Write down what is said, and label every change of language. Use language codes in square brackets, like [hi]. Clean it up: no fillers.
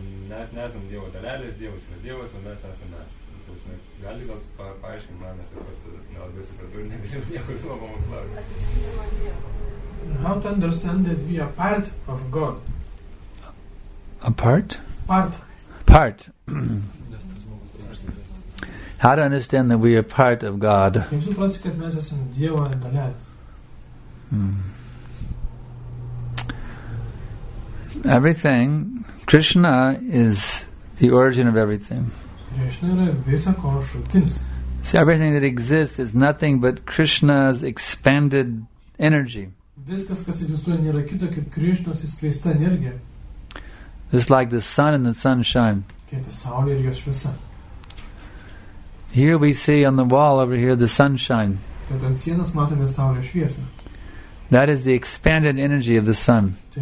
[lt] Mes nesam Dievo dalelės, Dievas yra Dievas, o mes esam mes. Tausime, gali gal paaiškinti manęs ir pas nelabiai supratų ir negalėjau nieko žinoma pamokslauti. [en] How to understand that we are part of God? A part? Part. Part. How to understand that we are part of God? [lt] Kaip suprasi, kad mes esam Dievo dalelės? [en] Everything, Krishna is the origin of everything. [lt] Krishna yra visa ko šaltinis. [en] See, everything that exists is nothing but Krishna's expanded energy. [lt] Viskas, kas egzistuoja, nėra kita, kaip Krishna's išskleista energija. [en] Just like the sun and the sunshine. [lt] Kaip saulė ir jos šviesa. [en] Here we see on the wall over here the sunshine. [lt] Tad ant sienos matome saulės šviesą. [en] That is the expanded energy of the sun.